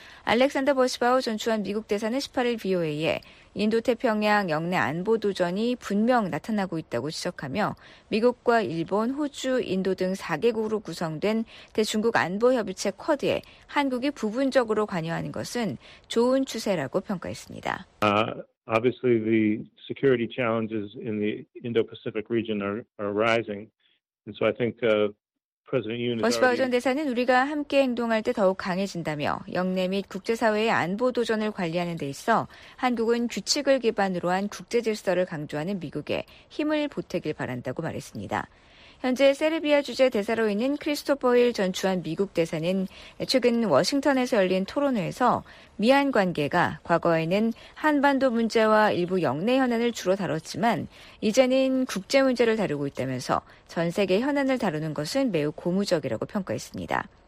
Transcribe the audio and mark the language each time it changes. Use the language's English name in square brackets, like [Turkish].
[Korean] 알렉산더 버시바우 전 주한 미국 대사는 18일 VOA에 인도태평양 영내 안보 도전이 분명 나타나고 있다고 지적하며 미국과 일본, 호주, 인도 등 4개국으로 구성된 대중국 안보협의체 쿼드에 한국이 부분적으로 관여하는 것은 좋은 추세라고 평가했습니다. [English] Obviously the security challenges in the Indo-Pacific region are rising. And so I think President [Korean] 버시바우 전 대사는 우리가 함께 행동할 때 더욱 강해진다며 영내 및 국제사회의 안보 도전을 관리하는 데 있어 한국은 규칙을 기반으로 한 국제 질서를 강조하는 미국에 힘을 보태길 바란다고 말했습니다. 현재 세르비아 주재 대사로 있는 크리스토퍼 힐 전 주한 미국 대사는 최근 워싱턴에서 열린 토론회에서 미한 관계가 과거에는 한반도 문제와 일부 영내 현안을 주로 다뤘지만 이제는 국제 문제를 다루고 있다면서 전 세계 현안을 다루는 것은 매우 고무적이라고 평가했습니다.